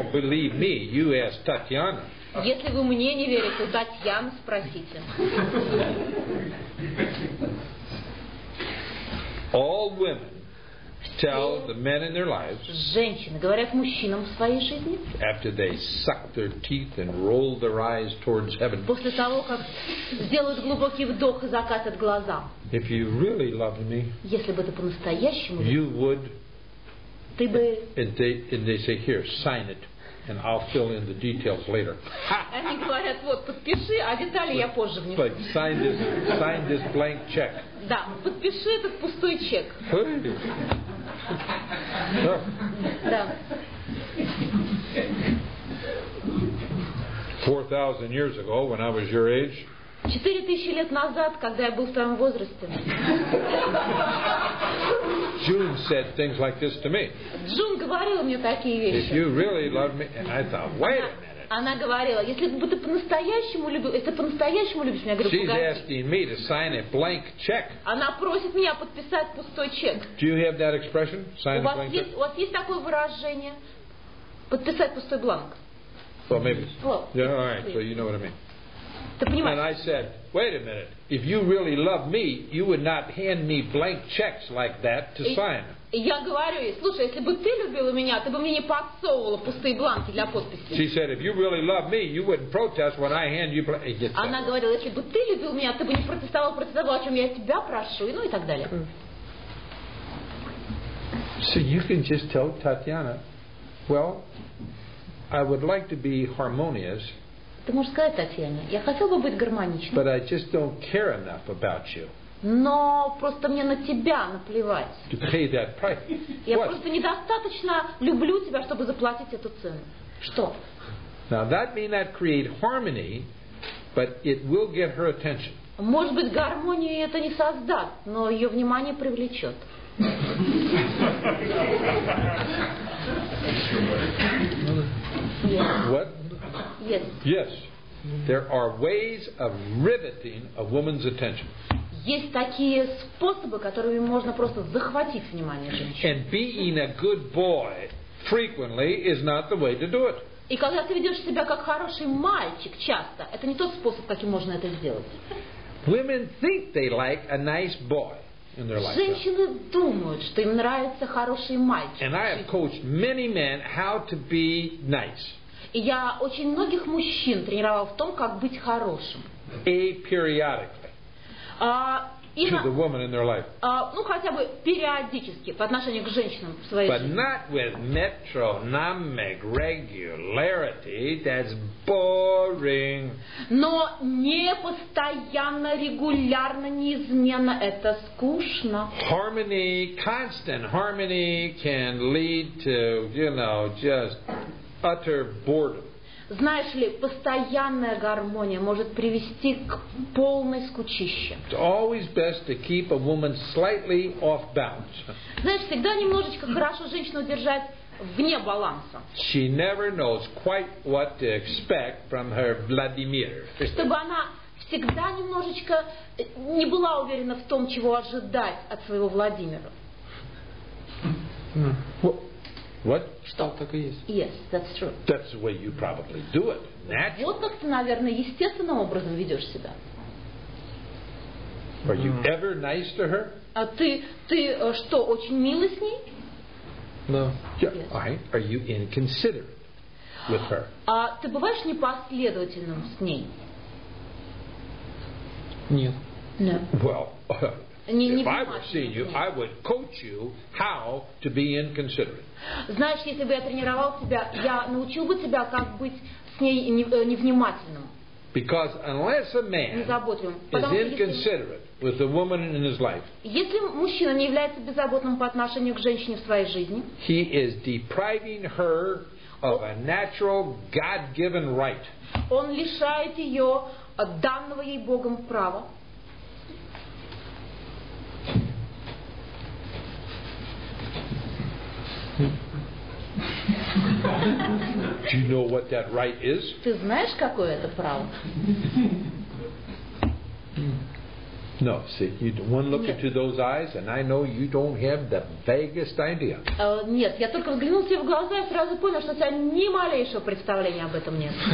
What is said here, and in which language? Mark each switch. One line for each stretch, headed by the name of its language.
Russian: Если вы мне не верите, Татьяна, спросите.
English: All women tell the men in their lives.
Russian: Женщины говорят мужчинам в своей жизни.
English: After they suck their teeth and roll their eyes towards heaven.
Russian: После того, как сделают глубокий вдох и закатят глаза.
English: If you really loved me.
Russian: Если бы ты по-настоящему.
English: You would
Russian: ты бы...
English: And they say, here, sign it, and I'll fill in the details later.
Russian: Они говорят, вот, подпиши, а детали я позже внесу.
English: Like, sign this blank check.
Russian: Да, подпиши этот пустой чек. Да.
English: 4,000 years ago, when I was your age.
Russian: 4,000 лет назад, когда я был в твоем возрасте.
English: June said things like this to me.
Russian: Джун говорила мне такие вещи.
English: If you really love me, and I thought, wait a minute.
Russian: Она говорила, если бы ты по-настоящему любил, если по-настоящему любишь меня, говорю,
English: she's asking me to sign a blank check.
Russian: Она просит меня подписать пустой чек.
English: Do you have that expression? Sign a blank check.
Russian: У вас есть такое выражение? Подписать пустой бланк.
English: Well, maybe. Well, yeah, all right. Please. So you know what I mean. And I said, wait a minute. If you really love me, you would not hand me blank checks like that to sign.
Russian: Я говорю ей, слушай, если бы ты любила меня, ты бы мне не подсовывала пустые бланки для подписи.
English: She said, if you really love me, you wouldn't protest when I hand you blank checks.
Russian: Она говорила, если бы ты любил меня, ты бы не протестовал против того, о чем я тебя прошу, ну и так далее.
English: So you can just tell Tatiana, well, I would like to be harmonious.
Russian: Ты можешь сказать Татьяне, я хотел бы быть гармоничным.
English: But I just don't care enough about you.
Russian: Но просто мне на тебя наплевать.
English: To pay that price. Я What?
Russian: Просто недостаточно люблю тебя, чтобы заплатить эту цену. Что?
English: Now that may not create harmony, but it will get her attention.
Russian: Может быть, гармонию это не создаст, но ее внимание привлечет.
English: What? Yes. Yes. There are ways of riveting a woman's attention.
Russian: Есть такие способы, которыми можно просто захватить внимание женщины.
English: And being a good boy frequently is not the way to do it.
Russian: И когда ты ведешь себя как хороший мальчик часто, это не тот способ, каким можно это сделать.
English: Women think they like a nice boy.
Russian: Женщины думают, что им нравится хороший мальчик.
English: And I have coached many men how to be nice.
Russian: И я очень многих мужчин тренировал в том, как быть хорошим.
English: Aperiodically. To the woman in their life.
Russian: Ну хотя бы периодически по отношению к женщинам в своей
English: But
Russian: жизни.
English: Not with metronomic regularity. That's boring.
Russian: Но не постоянно, регулярно, неизменно. Это скучно.
English: Harmony, constant harmony can lead to, you know, just utter boredom.
Russian: Знаешь ли, постоянная гармония может привести к полной скучище.
English: It's always best to keep a woman slightly off balance.
Russian: Знаешь, всегда немножечко хорошо женщину держать вне баланса.
English: She never knows quite what to expect from her Vladimir.
Russian: Чтобы она всегда немножечко не была уверена в том, чего ожидать от своего Владимира.
English: What?
Russian: Что так и есть?
English: Yes, that's true. That's the way you probably do it. Naturally.
Russian: Вот как ты, наверное, естественным образом ведешь себя.
English: Are you ever nice to her?
Russian: А ты что, очень милый с ней?
English: No. Yeah. Yes. Right. Are you inconsiderate with her?
Russian: А ты бываешь непоследовательным с ней? Нет.
English: No. Well. If I were seeing you, I would coach you how to be inconsiderate.
Russian: Знаешь, если бы я тренировал тебя, я научил бы тебя, как быть с ней невнимательным.
English: Because unless a man is inconsiderate with the woman in his life,
Russian: если мужчина не является беззаботным по отношению к женщине в своей жизни,
English: he is depriving her of a natural God-given right.
Russian: Он лишает ее данного ей Богом права.
English: Do you know what that right is?
Russian: Ты знаешь, какое это право?
English: No, see, you one look into those eyes, and I know you don't have the vaguest idea.
Russian: Нет, я только взглянул тебе в глаза и сразу понял, что у тебя ни малейшего представления об этом нет.